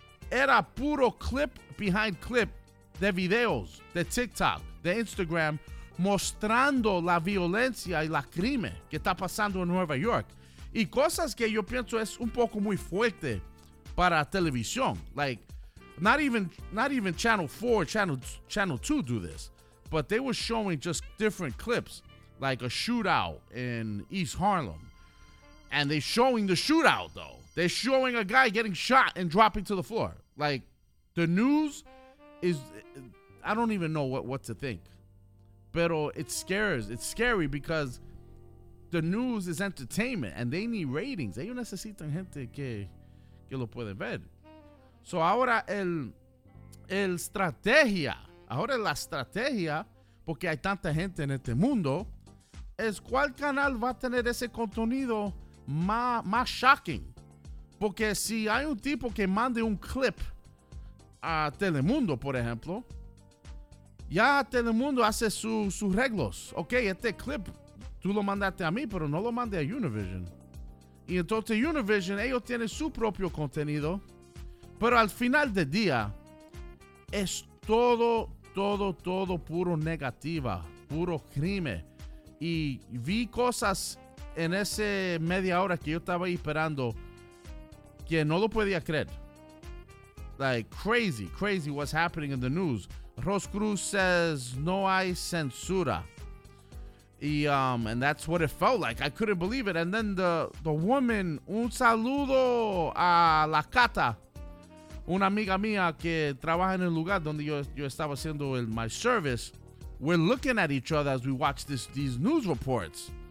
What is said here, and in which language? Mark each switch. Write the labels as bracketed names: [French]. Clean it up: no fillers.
[Spanish] Era puro [English] clip behind clip [Spanish] de videos de TikTok, de Instagram, mostrando la violencia y la crimen que está pasando en Nueva York. Y cosas que yo pienso es un poco muy fuerte para televisión. [English] Like, not even Channel 4, Channel 2 do this. But they were showing just different clips, like a shootout in East Harlem. And they're showing the shootout, though. They're showing a guy getting shot and dropping to the floor. Like, the news is, I don't even know what to think. Pero it scares. It's scary because the news is entertainment and they need ratings. [Spanish] Ellos necesitan gente que lo puede ver. So ahora el estrategia, ahora la estrategia, porque hay tanta gente en este mundo, es cuál canal va a tener ese contenido más shocking. Porque si hay un tipo que mande un clip a Telemundo, por ejemplo, ya Telemundo hace sus reglas. Ok, este clip tú lo mandaste a mí, pero no lo mandé a Univision. Y entonces Univision, ellos tienen su propio contenido. Pero al final del día, es todo puro negativa, puro crimen. Y vi cosas en ese media hora que yo estaba ahí esperando que no lo podía creer. [English] Like, crazy, crazy what's happening in the news. Ros Cruz says, [Spanish] no hay censura. [English] And that's what it felt like. I couldn't believe it. And then the woman, [Spanish] un saludo a la Cata, una amiga mía que trabaja en el lugar donde yo estaba haciendo [English] my service. We're looking at each other as we watch these news reports.